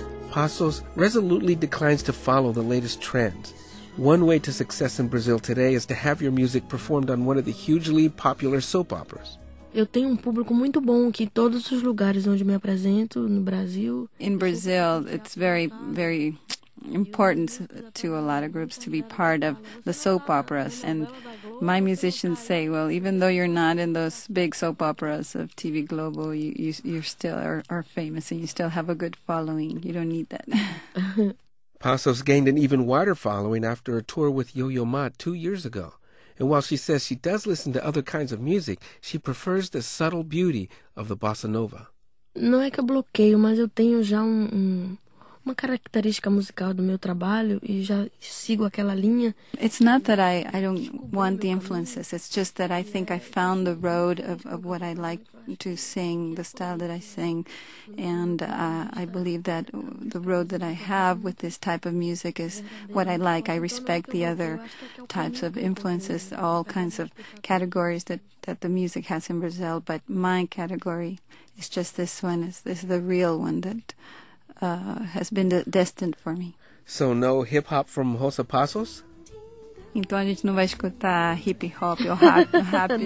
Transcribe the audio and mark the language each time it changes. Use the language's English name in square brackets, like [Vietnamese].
[English] Passos resolutely declines to follow the latest trends. One way to success in Brazil today is to have your music performed on one of the hugely popular soap operas. [Portuguese] Eu tenho público muito bom aqui em todos os lugares onde me apresento no Brasil. [English] In Brazil, it's very, very important to a lot of groups to be part of the soap operas. And my musicians say, well, even though you're not in those big soap operas of TV Globo, you still are famous and you still have a good following. You don't need that. Passos gained an even wider following after a tour with Yo-Yo Ma 2 years ago. And while she says she does listen to other kinds of music, she prefers the subtle beauty of the bossa nova. [Portuguese] Não é que eu bloqueio, mas eu tenho já uma característica musical do meu trabalho e já sigo aquela linha. [English] It's not that I don't want the influences. It's just that I think I found the road of what I like to sing, the style that I sing, and I believe that the road that I have with this type of music is what I like. I respect the other types of influences, all kinds of categories that the music has in Brazil, but my category is just this one, is the real one that has been destined for me. So no hip-hop from Rosa Passos? [Portuguese] Então a gente não vai escutar hip-hop ou rap de